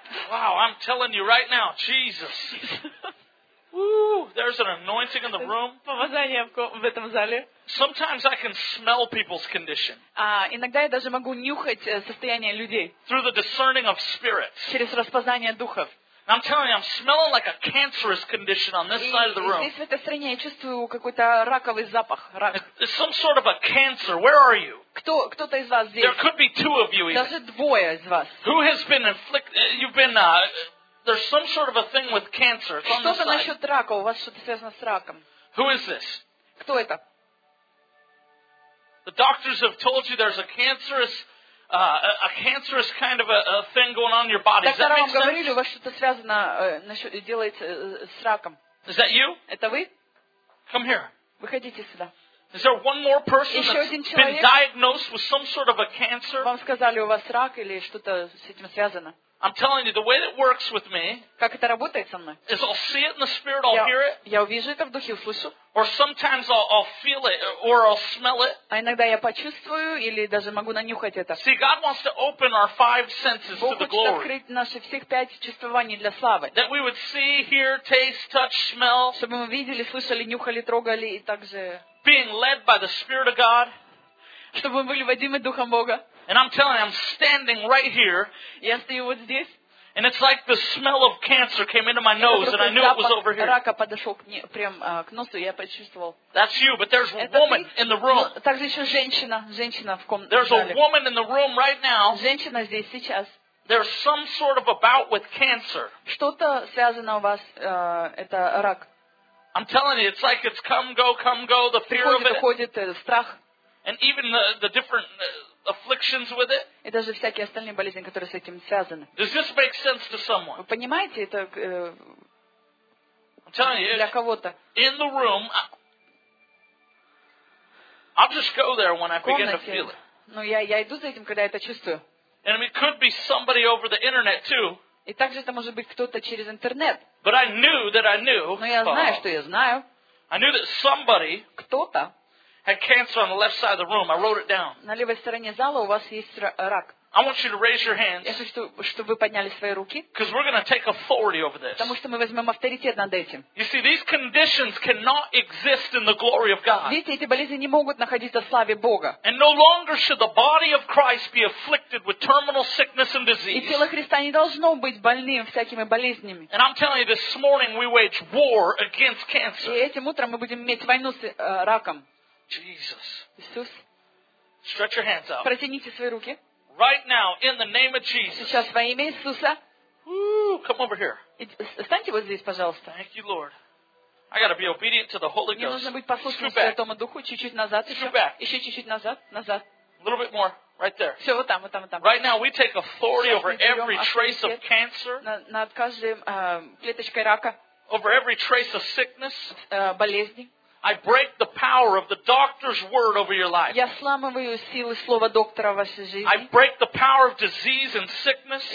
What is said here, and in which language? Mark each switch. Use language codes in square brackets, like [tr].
[en] Wow, I'm telling you right now, Jesus. Woo! There's an anointing in the room. [ru] Помазание в этом зале. [en] Sometimes I can smell people's condition. [ru] Иногда я даже могу нюхать состояние людей. [en] Through the discerning of spirits. [ru] Через распознание духов. [en] I'm telling you, I'm smelling like a cancerous condition on this side of the room. [ru] Здесь в этой стороне я чувствую какой-то раковый запах, рак. [en] It's some sort of a cancer. Where are you? [ru] Кто-то из вас здесь? [en] There could be two of you. [ru] Даже двое из вас. [en] Who has been inflicted? You've been there's some sort of a thing with cancer. [ru] Что-то насчет рака. У вас что-то связано с раком. [en] Who is this? [ru] Кто это? [en] The doctors have told you there's a cancerous kind of a thing going on in your body. Does that make sense? [ru] Доктора вам говорили, у вас что-то связано делает с раком. [en] Is that you? [ru] Это вы? [en] Come here. [ru] Выходите сюда. [en] Is there one more person that's been diagnosed with some sort of a cancer? [ru] Вам сказали, у вас рак или что-то с этим связано? [en] I'm telling you, the way that works with me. [ru] Как это работает со мной? [en] Is I'll see it in the spirit, I'll hear it. [ru] Я увижу это в духе, услышу. [en] Or sometimes I'll feel it or I'll smell it. [ru] А иногда я почувствую или даже могу нанюхать это. [en] See, God wants to open our five senses to the glory. [ru] Бог хочет открыть наши всех пять чувствований для славы. [en] That we would see, hear, taste, touch, smell. [ru] Чтобы мы видели, слышали, нюхали, трогали и также. [en] Being led by the Spirit of God. [ru] Чтобы мы были водимы духом Бога. [en] And I'm telling you, I'm standing right here. [ru] Я стою вот здесь. [en] And it's like the smell of cancer came into my nose, and I knew it was over here. [ru] Рака подошел прямо к носу, я почувствовал. [en] That's you, but there's a woman in the room. [ru] Также еще женщина в комнате. [en] There's a woman in the room right now. [ru] Женщина здесь сейчас. [en] There's some sort of a bout with cancer. [ru] Что-то связано у вас это рак. [en] I'm telling you, it's like it's come go, the fear of it. [ru] Приходит страх. [en] And even the different afflictions with it. [ru] И даже всякие остальные болезни, которые с этим связаны. [en] Does this make sense to someone? [ru] Вы понимаете это [en] I'm telling you, [ru] для кого-то? [en] In the room, I'll just go there when I begin to feel it. [ru] Ну я иду за этим, когда это чувствую. [en] And it could be somebody over the internet too. [ru] И также это может быть кто-то через интернет. [en] But I knew that I knew. [ru] Но я знаю, что я знаю. [en] I knew that somebody. [ru] Кто-то. [en] Had cancer on the left side of the room. I wrote it down. [ru] На левой стороне зала у вас есть рак. [en] I want you to raise your hands. [ru] Я хочу, чтобы вы подняли свои руки. [en] Because we're going to take authority over this. [ru] Потому что мы возьмем авторитет над этим. [en] You see, these conditions cannot exist in the glory of God. [ru] Видите, эти болезни не могут находиться в славе Бога. [en] And no longer should the body of Christ be afflicted with terminal sickness and disease. [ru] И тело Христа не должно быть больным всякими болезнями. [en] And I'm telling you, this morning we wage war against cancer. [ru] И этим утром мы будем иметь войну с раком. [en] Jesus. Stretch your hands out. [ru] Протяните свои руки. [en] Right now, in the name of Jesus. [ru] Сейчас во имя Иисуса. [en] Come over here. [ru] Встаньте вот здесь, пожалуйста. [en] Thank you, Lord. I got to be obedient to the Holy Ghost. [ru] Мне нужно быть послушным Святому Духу. Чуть-чуть назад. Еще чуть-чуть назад. Назад. [en] A little bit more. Right there. [ru] Все, вот там, вот там, вот там. [en] Right now, we take authority over every trace of cancer. [ru] Над каждой клеточкой рака. [en] Over every trace of sickness. [ru] Болезни. [en] I break the power of the doctor's word over your life. [ru] Я сламываю силу слова доктора в вашей жизни. [en] I break the power of disease and sickness.